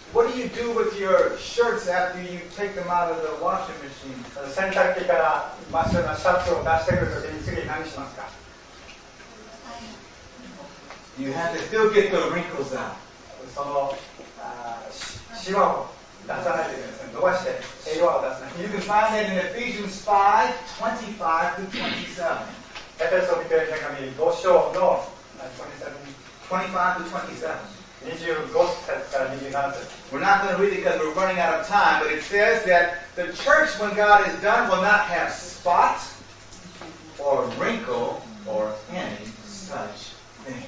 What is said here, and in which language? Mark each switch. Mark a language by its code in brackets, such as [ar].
[en] What do you do with your shirts after you take them out of the washing machine? [ja] 洗濯機から真っ白なシャツを出してくるときに次何しますか？ [en] You have to still get the wrinkles out. [ja] そのシワを出さないといけません。伸ばしてシワを出さない。 [en] You can find that in Ephesians 5:25-27. [ja] エペソビテの手紙5章の 25-27。 25節から27節。 [en] We're not going to read it because we're running out of time, but it says that the church, when God is done, will not have spot or wrinkle or any such thing.